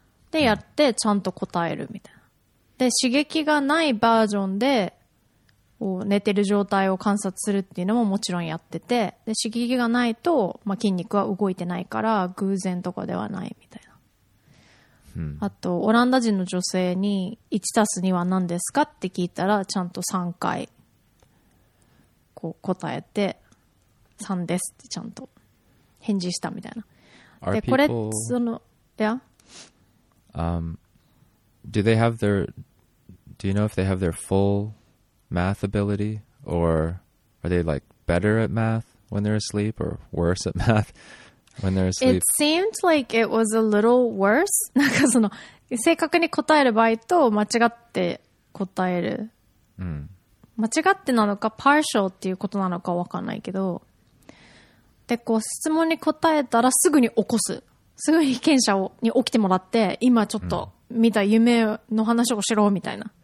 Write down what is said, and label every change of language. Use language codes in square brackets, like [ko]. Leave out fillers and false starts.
[ja] で、やってちゃんと答えるみたいな。で、刺激がないバージョンで、寝てる状態を観察するっていうのももちろんやってて、で刺激がないと、まあ、筋肉は動いてないから偶然とかではないみたいな。あとオランダ人の女性に 1+2 は何ですかって聞いたらちゃんと3回こう答えて3ですってちゃんと返事したみたいな。 [en] Are、 [ja] で、 [en] people... [ja] これその、yeah? [en] Do they have their, do you know if they have their full math ability or are they like better at math when they're asleep or worse at math when they're asleep? It seemed like it was a little worse. [ja] なんかその正確に答える場合と間違って答える、うん、間違ってなのか partial っていうことなのか分かんないけど、でこう質問に答えたらすぐに起こす、すぐに被験者に起きてもらって今ちょっと見た夢の話をしろみたいな、